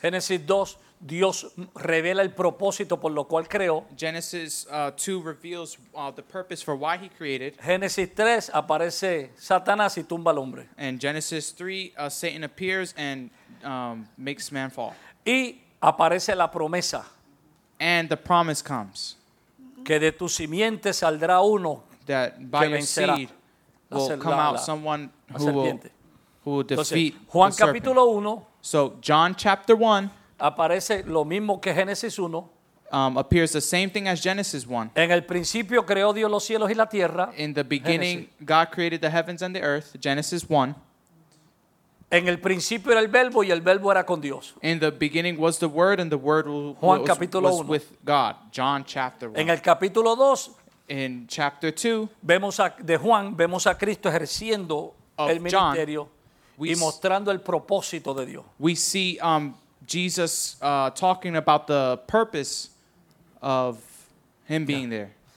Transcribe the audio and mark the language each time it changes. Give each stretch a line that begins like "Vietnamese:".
Spanish: Génesis 2, Dios revela el propósito por lo cual creó.
English: Genesis 2 reveals the purpose for why he created.
Spanish: Génesis 3, aparece Satanás y tumba al hombre.
English: And Genesis 3, Satan appears and makes man fall.
Spanish: Y aparece la promesa.
English: And the promise comes.
Spanish: Que de tu simiente saldrá uno.
English: That by your seed will come out someone who will defeat
Spanish: Entonces, Juan
English: the serpent.
Spanish: Capítulo uno,
English: so John chapter 1.
Spanish: Aparece lo mismo que Génesis 1.
English: Appears the same thing as Genesis 1.
Spanish: En el principio creó Dios los cielos y la tierra.
English: In the beginning Genesis. God created the heavens and the earth. Genesis 1.
Spanish: En el principio era el verbo y el verbo era con Dios.
English: In the beginning was the word and the word was with God. John chapter 1.
Spanish: En el capítulo 2,
English: in chapter 2,
Spanish: vemos a Cristo ejerciendo el ministerio
English: John,
Spanish: y mostrando el propósito de Dios.
English: We see Jesus talking about the purpose of him being there.